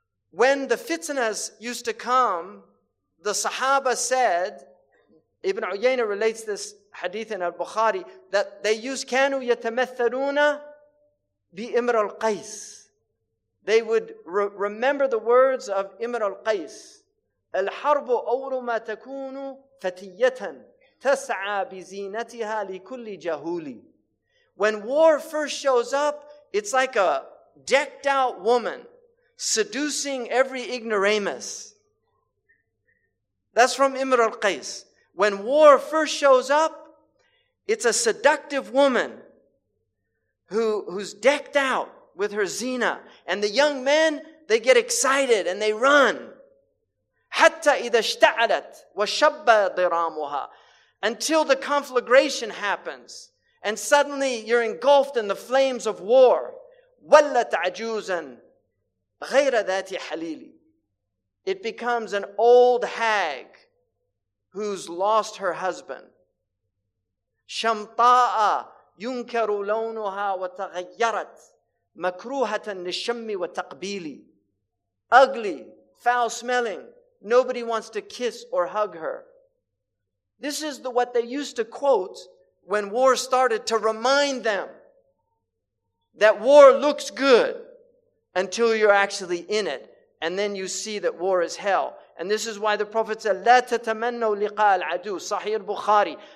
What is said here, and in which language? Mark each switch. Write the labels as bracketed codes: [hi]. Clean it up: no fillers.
[en] When the fitnas used to come, the Sahaba said, Ibn Uyayna relates this hadith in al-Bukhari, that they used, [ar] "Kanu yatamathaluna bi Imr al-Qais." [en] They would remember the words of Imr al-Qais. [ar] الحرب أول ما تكون فتية تسعى بزينتها لكل جهولي. [en] When war first shows up, it's like a decked out woman seducing every ignoramus. That's from Imr al-Qais. When war first shows up, it's a seductive woman who's decked out with her zina. And the young men, they get excited and they run. [ar] حَتَّى إِذَا اشْتَعَلَتْ وَشَبَّ ضِرَامُهَا. [en] Until the conflagration happens, and suddenly you're engulfed in the flames of war. [ar] وَلَّتْ عَجُوزًا غَيْرَ ذَاتِ حَلِيلِ. [en] It becomes an old hag who's lost her husband. [ar] شَمْطَاءَ يُنْكَرُ لَوْنُهَا وَتَغَيَّرَتْ مَكْرُوهَةً لِشَمِّ وَتَقْبِيلِ. [en] Ugly, foul-smelling, Nobody wants to kiss or hug her. This is what they used to quote when war started to remind them that war looks good until you're actually in it. And then you see that war is hell. And this is why the Prophet said, [ar] لا تتمنوا لقاء العدو, [en] Sahih al-Bukhari.